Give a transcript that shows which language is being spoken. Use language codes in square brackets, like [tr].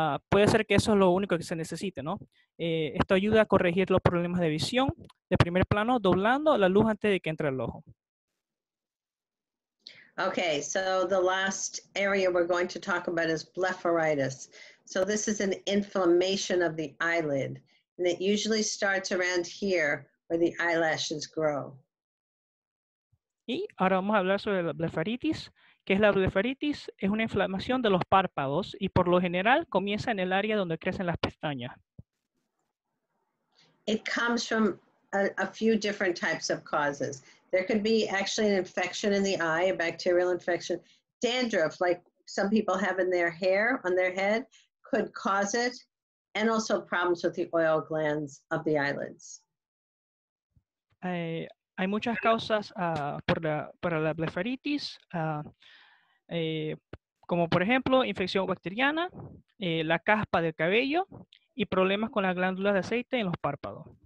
[es] Puede ser que eso es lo único que se necesite, ¿no? Esto ayuda a corregir los problemas de visión de primer plano, doblando la luz antes de que entre el ojo. [en] Okay, so the last area we're going to talk about is blepharitis. So this is an inflammation of the eyelid, and it usually starts around here where the eyelashes grow. [es] Y ahora vamos a hablar sobre la blefaritis. ¿Qué es la blefaritis? Es una inflamación de los párpados y por lo general comienza en el área donde crecen las pestañas. [en] It comes from a few different types of causes. There could be actually an infection in the eye, a bacterial infection. Dandruff, like some people have in their hair, on their head, could cause it, and also problems with the oil glands of the eyelids. [es] Hay muchas causas para la blefaritis, como por ejemplo, infección bacteriana, la caspa del cabello, y problemas con las glándulas de aceite en los párpados.